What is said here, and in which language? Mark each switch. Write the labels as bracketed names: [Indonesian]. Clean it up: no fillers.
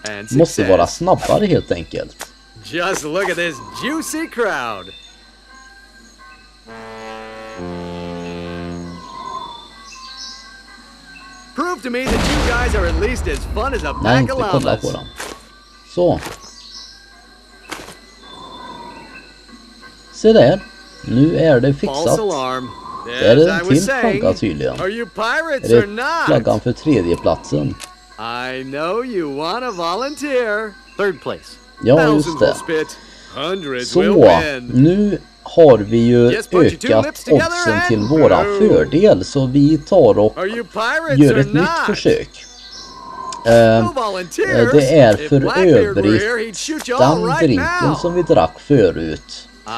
[Swedish] Vi måste vara snabbare helt enkelt. [English] Just look at this juicy crowd. Prove to me that you guys are at least as fun as a pack of llamas. [Swedish] Så. Se där, nu är det fixat. Det är en till flagga tydligen. [English] Are you pirates or not? [Swedish] Flaggan för tredje platsen. [English] I know you want to volunteer. Third place. [Swedish] Ja, just det. Så, nu har vi ju ökat oddsen till våra fördel, så vi tar och gör ett nytt försök. Det är för övrigt den drinken som vi drack förut.